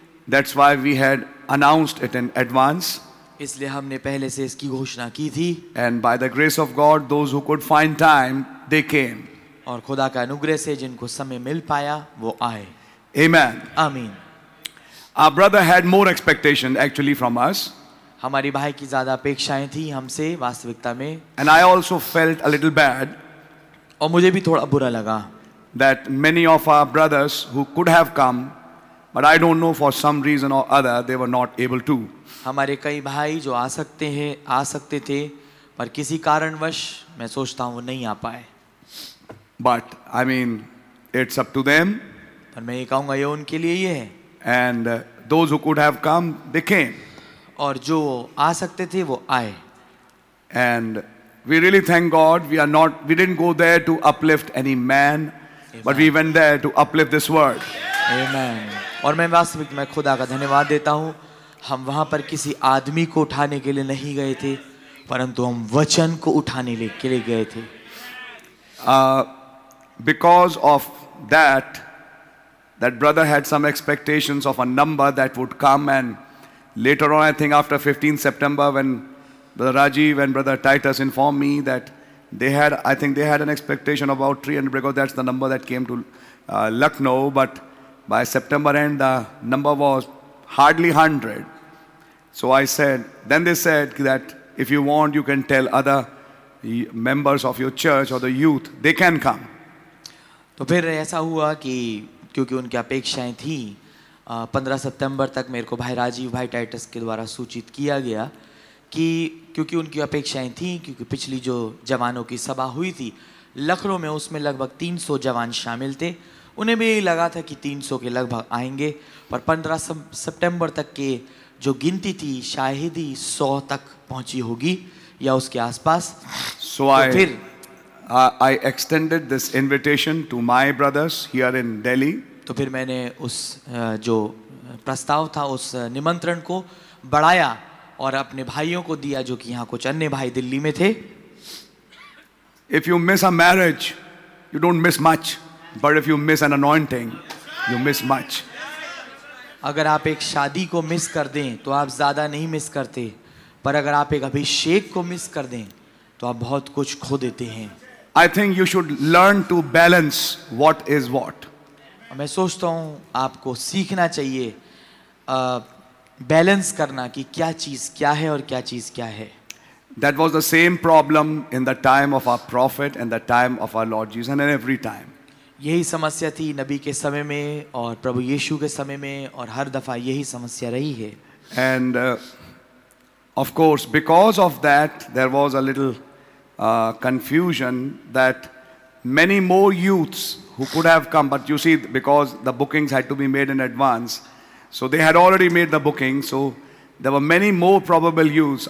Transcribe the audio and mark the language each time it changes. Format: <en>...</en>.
<en>That's why we had announced it in advance.</en> <hi>इसलिए हमने पहले से इसकी घोषणा की थी.</hi> <en>And by the grace of God, those who could find time, they came.</en> <hi>और खुदा का अनुग्रह से जिनको समय मिल पाया वो आए.</hi> <en>Amen.</en> <hi>आमीन.</hi> <en>Our brother had more expectation actually from us.</en> <hi>हमारी भाई की ज्यादा अपेक्षाएं थी हमसे वास्तविकता में.</hi> <en>And I also felt a little bad.</en> <hi>और मुझे भी थोड़ा बुरा लगा.</hi> <en>That many of our brothers who could have come, but I don't know for some reason or other, they were not able to.</en> <hi>हमारे कई भाई जो आ सकते हैं आ सकते थे पर किसी कारणवश मैं सोचता हूँ वो नहीं आ पाए.</hi> <en>But I mean, it's up to them.</en> <hi>पर मैं ये कहूँगा ये उनके लिए ही है.</hi> <en>And those who could have come, they came.</en> <hi>और जो आ सकते थे वो आए.</hi> <en>And we really thank God. We didn't go there to uplift any man, but we went there to uplift this word. Amen.</en> <hi>और मैं वास्तविक में खुदा का धन्यवाद देता हूँ. हम वहाँ पर किसी आदमी को उठाने के लिए नहीं गए थे, परंतु हम वचन को उठाने के लिए गए थे.</hi> <en>Because of that. That brother had some expectations of a number that would come, and later on, I think after 15 September, when Brother Rajiv and Brother Titus informed me that they had, I think they had an expectation of about 300, because that's the number that came to Lucknow. But by September end, the number was hardly 100. So I said, then they said that if you want, you can tell other members of your church or the youth, they can come.</en> <hi>तो फिर ऐसा हुआ कि क्योंकि उनकी अपेक्षाएं थी 15 सितंबर तक मेरे को भाई राजीव भाई टाइटस के द्वारा सूचित किया गया कि क्योंकि उनकी अपेक्षाएं थी क्योंकि पिछली जो जवानों की सभा हुई थी लखनऊ में उसमें लगभग 300 जवान शामिल थे. उन्हें भी यही लगा था कि 300 के लगभग आएंगे, पर 15 सितंबर तक के जो गिनती थी शायद ही 100 तक पहुँची होगी या उसके आसपास. फिर</hi> <en>I extended this invitation to my brothers here in Delhi.</en> <hi>तो फिर मैंने उस जो प्रस्ताव था उस निमंत्रण को बढ़ाया और अपने भाइयों को दिया जो कि यहाँ कुछ अन्य भाई दिल्ली में थे.</hi> <en>If you miss a marriage, you don't miss much. But if you miss an anointing, you miss much.</en> <hi>अगर आप एक शादी को miss कर दें तो आप ज़्यादा नहीं miss करते, पर अगर आप एक अभिषेक को miss कर दें तो आप बहुत कुछ खो देते हैं.</hi> <en>I think you should learn to balance what is what.</en> <hi>मैं सोचता हूँ आपको सीखना चाहिए बैलेंस करना कि क्या चीज क्या है और क्या चीज क्या है.</hi> <en>That was the same problem in the time of our prophet and the time of our Lord Jesus and every time.</en> <hi>यही समस्या थी नबी के समय में और प्रभु यीशु के समय में और हर दफा यही समस्या रही है.</hi> <en>And of course because of that there was a little confusion that many more youths who could have come but you see because the bookings had to be made in advance so they had already made the booking so there were many more probable youths.</en>